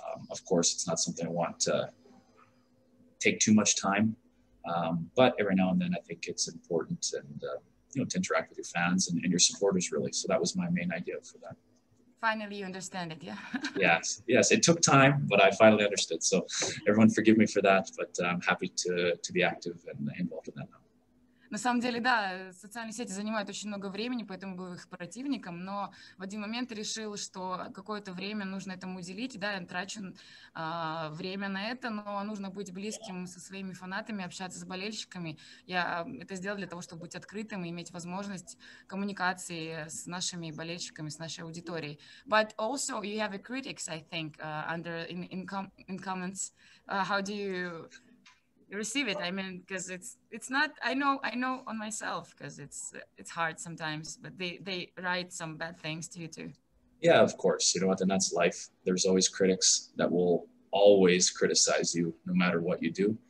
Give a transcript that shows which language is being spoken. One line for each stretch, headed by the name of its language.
English: Of course, it's not something I want to take too much time, but every now and then I think it's important and to interact with your fans and your supporters, really. So that was my main idea for that. Finally, you understand it, yeah? yes. It took time, but I finally understood. So everyone forgive me for that, but I'm happy to be active and involved in that now.
Russian: На самом деле, да, социальные сети занимают очень много времени, поэтому был их противником, но в один момент решил, что какое-то время нужно этому уделить, да, я трачу время на это, но нужно быть близким со своими фанатами, общаться с болельщиками. Я это сделал для того, чтобы быть открытым и иметь возможность коммуникации с нашими болельщиками, с нашей аудиторией.
English: But also you have a critics, I think, in comments. How do you... receive it, I mean, because it's not, I know on myself, because it's hard sometimes, but they write some bad things to you too. Yeah, of course, you know what, and that's life. There's always critics that will always criticize you, no matter what you do.